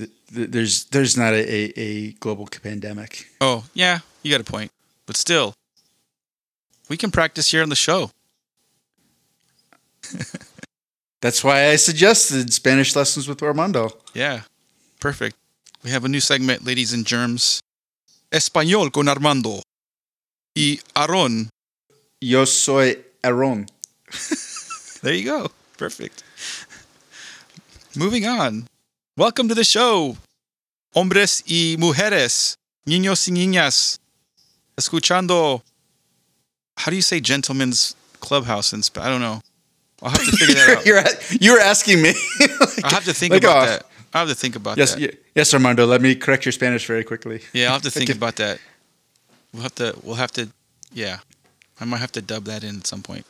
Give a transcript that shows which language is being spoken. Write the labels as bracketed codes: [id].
[en] There's not a global pandemic. Oh yeah, you got a point. But still, we can practice here on the show. That's why I suggested Spanish lessons with Armando. Yeah, perfect. We have a new segment, ladies and germs. [es] Español con Armando y Aaron. Yo soy Aaron. [en] There you go. Perfect. Moving on. Welcome to the show, [es] hombres y mujeres, niños y niñas, escuchando. [en] How do you say gentlemen's clubhouse in Spanish? I don't know. I'll have to figure that out. You're asking me. I'll have to think about that. I'll have to think about that. Yes, Armando, let me correct your Spanish very quickly. Yeah, I'll have to think about that. We'll have to, I might have to dub that in at some point.